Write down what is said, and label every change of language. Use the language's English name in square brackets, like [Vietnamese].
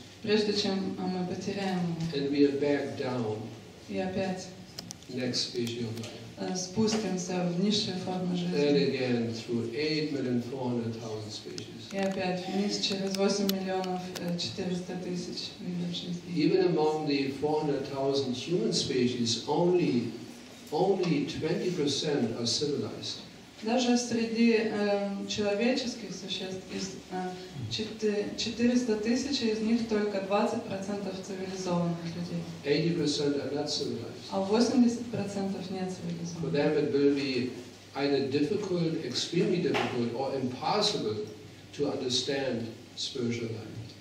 [Russian] Прежде чем мы потеряем его. [English] And we are back down. [Russian] И опять. [English] Next stage of life. [Russian] Спустимся в низшие формы жизни. [English] And again, through 8,400,000 species. [Russian] И опять вниз через 8,400,000 видов жизни. [English] Even among the 400,000 human species, only 20% are civilized. [Russian] Даже среди человеческих существ из 400,000 из них только 20% цивилизованных людей. [English] 80% are not civilized. [Russian] А 80% не цивилизованных. [English] For them it will be either difficult, extremely difficult, or impossible to understand spiritual life.